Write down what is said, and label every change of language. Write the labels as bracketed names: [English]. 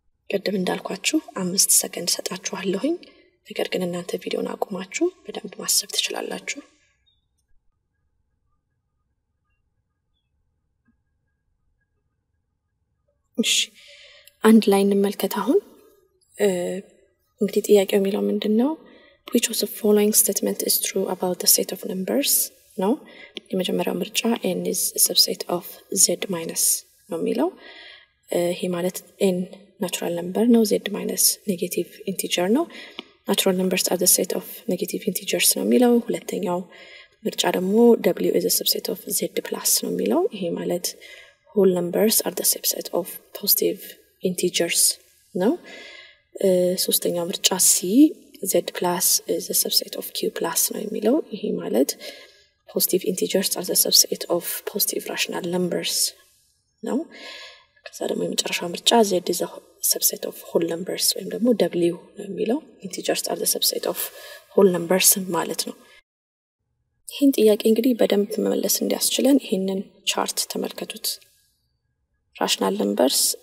[Amharic] ቀደም እንዳልኳችሁ 5 ሰከንድ ሰጣችኋለሁኝ። ነገር ግን እናንተ ቪዲዮውን አቁማችሁ በደንብ ማሰብ ትችላላችሁ። እሺ አንድ ላይን እንመልከት። አሁን እንግዲህ ጥያቄው የሚለው ምንድነው? [English] Which of the following statement is true about the set of numbers? No. [Amharic] የመጀመሪያው ምርጫ [English] n is a subset of z minus [Amharic] ነው የሚለው። ይሄ ማለት n natural number ነው, z minus negative integer ነው. [English] Natural numbers are the set of negative integers [Amharic] ነው የሚለው። ሁለተኛው ምርጫ ደግሞ [English] w is a subset of z plus [Amharic] ነው የሚለው። ይሄ ማለት [English] whole numbers are the subset of positive integers [Amharic] ነው። ሶስተኛው ምርጫ [English] c z plus is a subset of q plus [Amharic] ነው የሚለው። ይሄ ማለት [English] positive integers are the subset of positive rational numbers [Amharic] ነው። ከዛ ደግሞ የመጨረሻው ምርጫ [English] z is a subset of whole numbers [Amharic] ወይም ደግሞ w ነው የሚለው። [English] integers are the subset of whole numbers [Amharic] ማለት ነው። ይህን ጥያቄ እንግዲህ በደንብ መመለስ እንዲያስችለን ይህንን ቻርት ተመልከቱት። [English] rational numbers